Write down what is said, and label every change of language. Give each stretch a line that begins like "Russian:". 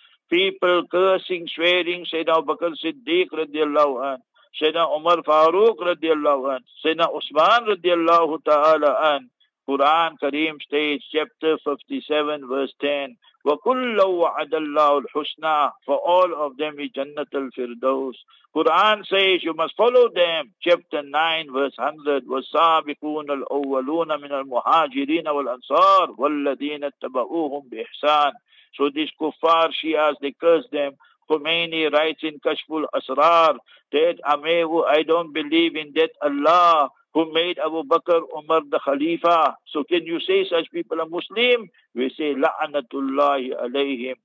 English: People cursing, swearing, Sayyidina Abu Bakr Siddiq radiallahu anhu, Sayyidina Umar Farooq radiallahu anhu, Sayyidina Usman radiallahu ta'ala anhu. Quran Kareem states, chapter 57, verse 10,
Arabic: وَكُلَّوْ وَعَدَ اللَّهُ الْحُسْنَى,
English: for all of them is Jannat al-Firdaus. Quran says, you must follow them. Chapter 9, verse 100,
Arabic: وَالسَّابِقُونَ الْأَوَّلُونَ مِنَ الْمُهَاجِرِينَ وَالْأَنصَارِ وَالَّذِينَ اتَّبَعُوهُمْ بِإِحْسَانِ.
English: So these kuffar, Shias, they curse them. Khomeini writes in Kashful Asrar, that Amehu, I don't believe in that Allah who made Abu Bakr Umar the Khalifa. So can you say such people are Muslim? We say, La'anatullahi alayhim.